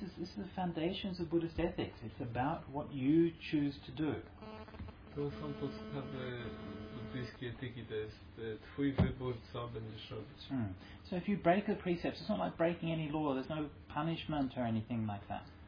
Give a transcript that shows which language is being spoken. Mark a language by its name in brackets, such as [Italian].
[English] This is the foundations of Buddhist ethics. It's about what you choose to do. [Polish] To są podstawy buddyjskiej etyki, to jest twój wybór, co będziesz robić. Mm. [English] So if you break the precepts, it's not like breaking any law, there's no punishment or anything like that.